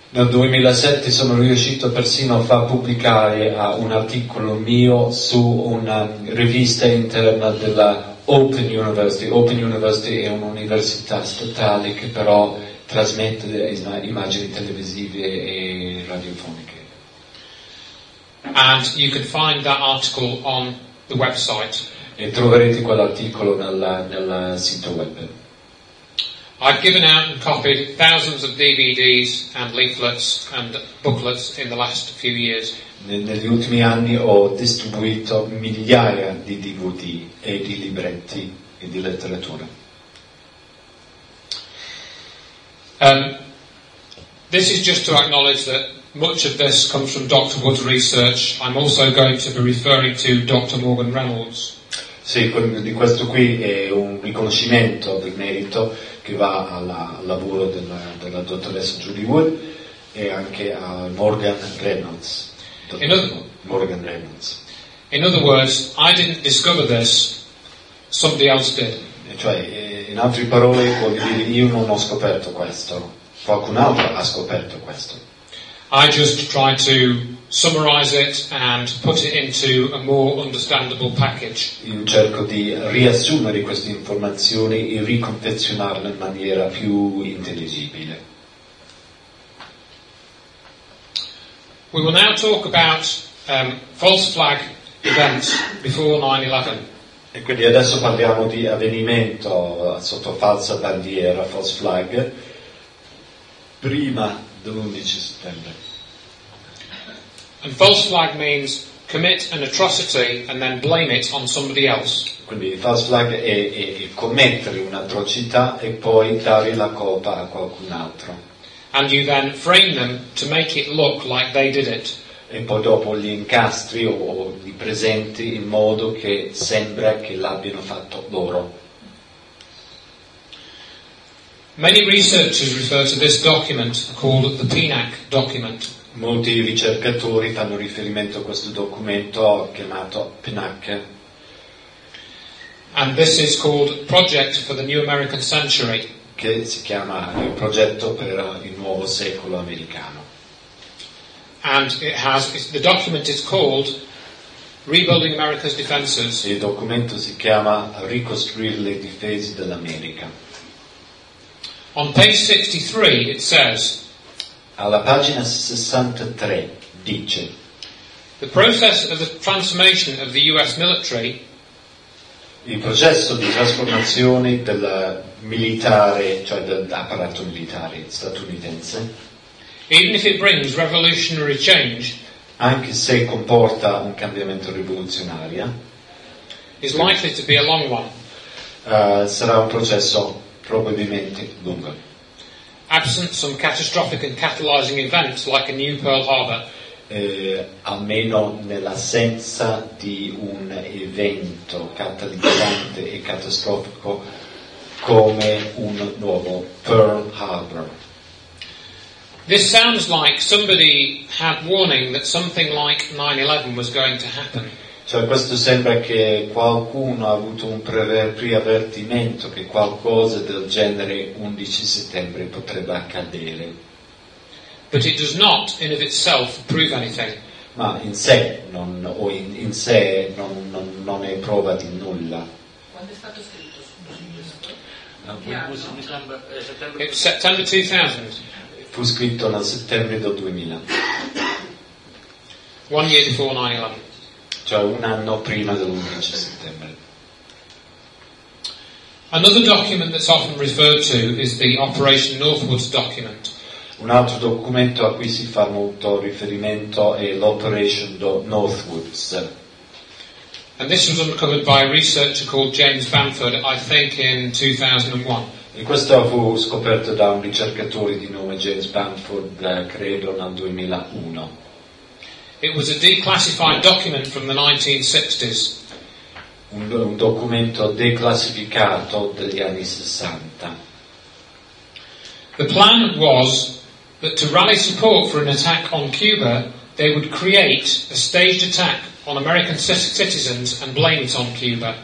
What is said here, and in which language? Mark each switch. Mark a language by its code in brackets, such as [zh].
[it] Nel 2007 sono riuscito persino a far pubblicare un articolo mio su una rivista interna della Open University. Open University è un'università statale che però trasmette immagini televisive e radiofoniche. [en] And you can find that article on the website. [it] E troverete quell'articolo nel sito web. [en] I've given out and copied thousands of DVDs and leaflets and booklets in the last few years. [it] Negli ultimi anni ho distribuito migliaia di DVD e di libretti e di letteratura. [en] This is just to acknowledge that Much of this comes from Dr. Wood's research. I'm also going to be referring to Dr. Morgan Reynolds. [it] Sì, di questo qui è un riconoscimento del merito che va alla, al lavoro della, della dottoressa Judy Wood e anche a Morgan Reynolds. [en] In other words, I didn't discover this, somebody else did. [it] Cioè, in altre parole, vuol dire io non ho scoperto questo, qualcun altro ha scoperto questo. [en] I just tried to summarize it and put it into a more understandable package. [it] Io cerco di riassumere queste informazioni e riconfezionarle in maniera più intelligibile. [en] We will now talk about false flag events before 9/11. [it] E quindi adesso parliamo di avvenimento sotto falsa bandiera, false flag, prima dell'11 settembre. [en] And false flag means commit an atrocity and then blame it on somebody else. [it] Quindi false flag è commettere un'atrocità e poi dare la colpa a qualcun altro. [en] And you then frame them to make it look like they did it. [it] E poi dopo li incastri o li presenti in modo che sembra che l'abbiano fatto loro. [en] Many researchers refer to this document called the PNAC document. [it] Molti ricercatori fanno riferimento a questo documento chiamato PNAC. [en] And this is called Project for the New American Century. [it] Che si chiama il progetto per il nuovo secolo americano. [en] And it has, the document is called Rebuilding America's Defenses. [it] Il documento si chiama Ricostruire le difese dell'America. [en] On page 63 it says, [it] alla pagina 63 dice, [en] the process of the transformation of the US military, [it] il processo di trasformazione del militare, cioè dell'apparato militare statunitense, [en] even if it brings revolutionary change, [it] anche se comporta un cambiamento rivoluzionario, [en] is likely to be a long one. [it] Sarà un processo probabilmente lungo. [en] Absent some catastrophic and catalyzing events like a new Pearl Harbor. [it] Almeno nell'assenza di un evento catalizzante e catastrofico come un nuovo Pearl Harbor. [en] This sounds like somebody had warning that something like 9/11 was going to happen. [it] Cioè questo sembra che qualcuno ha avuto un preavvertimento che qualcosa del genere 11 settembre potrebbe accadere. [en] But it does not in of itself prove anything. [it] Ma in sé non, o in, in sé non, non, non è prova di nulla. Quando è stato scritto? [en] September 2000. [it] Fu scritto nel settembre del 2000. [en] One year before 9/11. [it] Cioè un anno prima dell'11 settembre. [en] Another document that's often referred to is the Operation Northwoods document. [it] Un altro documento a cui si fa molto riferimento è l'Operation Northwoods. [en] And this was uncovered by a researcher called James Bamford, I think, in 2001. [it] E questo fu scoperto da un ricercatore di nome James Bamford, credo, nel 2001. [en] It was a declassified document from the 1960s. [it] Un documento declassificato degli anni 60. [en] The plan was that to rally support for an attack on Cuba, they would create a staged attack on American citizens and blame it on Cuba.